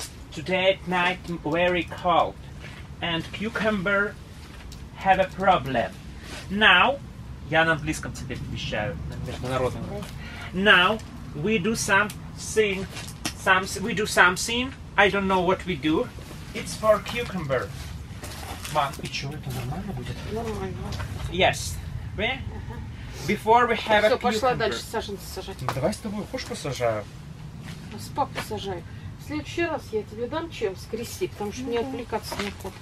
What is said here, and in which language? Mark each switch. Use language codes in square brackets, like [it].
[en] Today at night very cold, and cucumber have a problem. Now, [ru] я на английском тебе обещаю, на международном. [en] Now we do something, I don't know what we do. It's for cucumber. [ru] Мам, и чё, это нормально будет? Нормально. [en] Yes. We? Before we have a cucumber. [ru] Всё, пошла дальше саженцы сажать. Ну, давай с тобой, хочешь посажаю? С папой сажай. В следующий раз я тебе дам чем скрести, потому что мне отвлекаться не хочется.